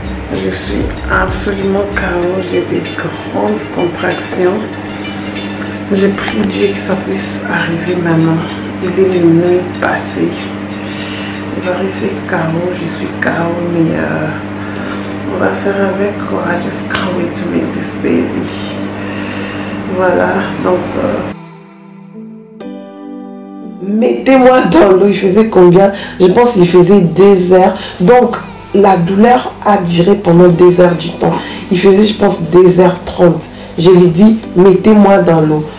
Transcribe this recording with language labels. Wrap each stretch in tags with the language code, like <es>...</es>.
<fr>Je suis absolument KO, j'ai des grandes contractions. J'ai prié Dieu que ça puisse arriver maintenant. Il est minuit passé. Il va rester KO. Je suis KO, mais on va faire avec quoi?</fr> <en>I just can't wait to meet this baby.</en> <fr>Voilà, donc. Mettez-moi dans l'eau. Il faisait combien? Je pense qu'il faisait 2 heures. Donc, la douleur a duré pendant 2 heures du temps. Il faisait, je pense, 2h30. Je lui ai dit, mettez-moi dans l'eau.</fr>